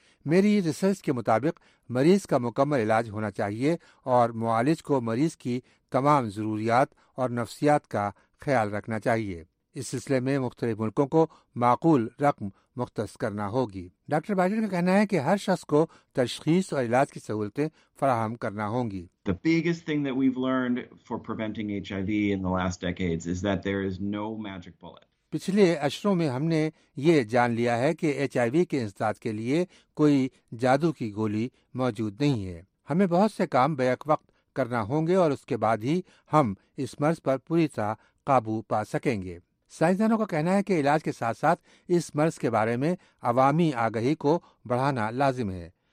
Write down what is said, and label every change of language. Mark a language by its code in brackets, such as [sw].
[ur] میری ریسرچ کے مطابق مریض کا مکمل علاج ہونا چاہیے اور معالج کو مریض کی تمام ضروریات اور نفسیات کا خیال رکھنا چاہیے. اس سلسلے میں مختلف ملکوں کو معقول رقم مختص کرنا ہوگی. ڈاکٹر بائیڈن کا کہنا ہے کہ ہر شخص کو تشخیص اور علاج کی سہولتیں فراہم کرنا ہوں گی. [en] The biggest thing that we've learned for preventing HIV in the last decades is that there is no magic bullet. [ur] پچھلے عشروں میں ہم نے یہ جان لیا ہے کہ ایچ آئی وی کے انسداد کے لیے کوئی جادو کی گولی موجود نہیں ہے. ہمیں بہت سے کام بیک وقت کرنا ہوں گے اور اس کے بعد ہی ہم اس مرض پر پوری طرح قابو پا سکیں گے. سائنسدانوں کا کہنا ہے کہ علاج کے ساتھ ساتھ اس مرض کے بارے میں عوامی آگہی کو بڑھانا لازم ہے.